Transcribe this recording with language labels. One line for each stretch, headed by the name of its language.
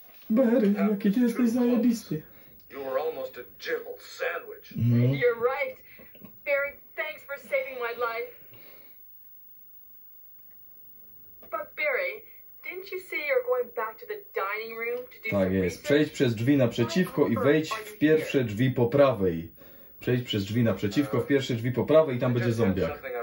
Polish: Barry, jaki ty jesteś zajebisty.
English: You were almost a Jill sandwich. You're right. Barry, thanks for saving my life. But Barry, didn't you say you're going back to the dining room to do something?
Polish: Tak jest. Przejdź przez drzwi naprzeciwko i wejdź w pierwsze drzwi po prawej. Przejdź przez drzwi naprzeciwko w pierwsze drzwi po prawej i tam będzie zombiak.